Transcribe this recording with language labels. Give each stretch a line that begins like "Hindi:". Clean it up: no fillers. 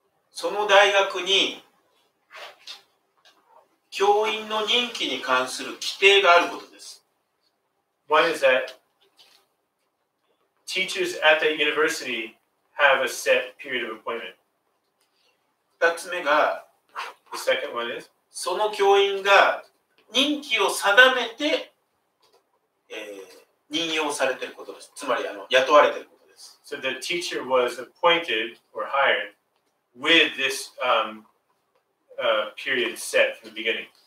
Japanese: その大学に教員の任期に関する規定があることです。
English: One is that teachers at the university have a set period of appointment.
Japanese: 二つ目が、
English: The second one is,
Japanese: その教員が任期を定めて、任用されていることです。つまり雇われていることです。
English: So the teacher was appointed or hired. With this period set from the beginning.